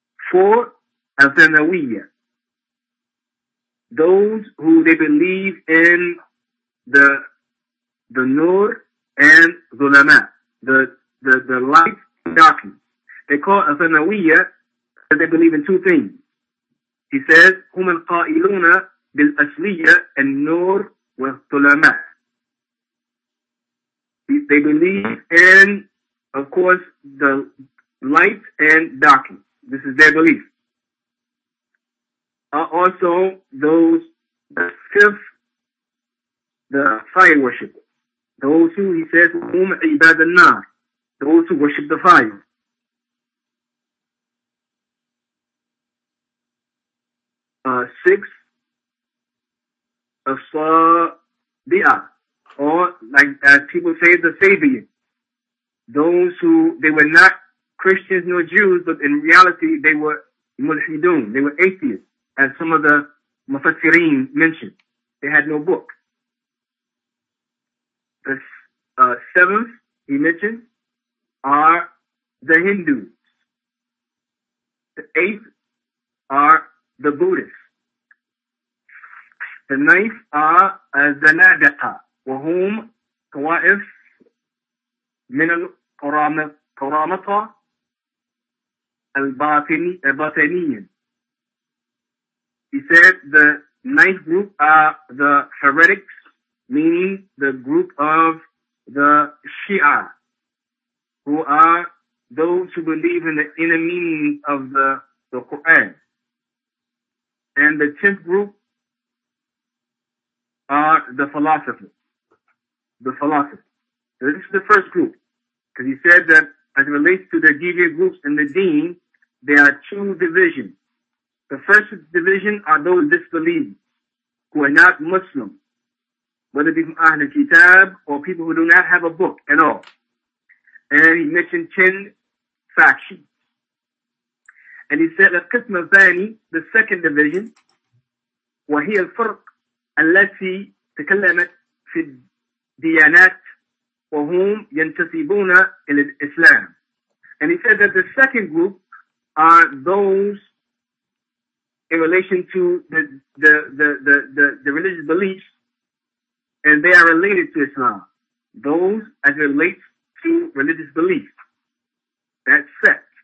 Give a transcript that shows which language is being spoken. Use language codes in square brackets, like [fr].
[en] Four, Athanawiya, those who they believe in the Nur and Zulama, the light darkness. They call Athanawiya. That they believe in two things. He says, [ar] هم القائلون بالأصلية النور والظلماء. [en] They believe in, of course, the light and darkness. This is their belief. Also, those, the fifth, the fire worshippers. Those who, he says, [ar] هم عباد النار. [en] Those who worship the fire. Six, Asabi'a, or like as people say, the Sabians. Those who, they were not Christians nor Jews, but in reality, they were mulhidun, they were atheists, as some of the mufassirin mentioned. They had no book. The seventh, he mentioned, are the Hindus. The eighth are the Buddhists. The ninth are Zanadiqa, [ar] وهم طوائف من القرامطة الباطنيين. [en] He said the ninth group are the heretics, meaning the group of the Shia, who are those who believe in the inner meaning of the Quran. And the tenth group are the philosophers. The philosophers. So this is the first group. Because he said that as it relates to the deviant groups and the deen, there are two divisions. The first division are those disbelievers who are not Muslim, whether it be Ahlul Kitab or people who do not have a book at all. And he mentioned 10 factions. And he said that Qism al-Thani, the second division, [ar] وهي الفرق التي تكلمت في الديانات وهم ينتسبون إلى الإسلام. [en] And he said that the second group are those in relation to the religious beliefs, and they are related to Islam. Those as it relates to religious beliefs. That's set.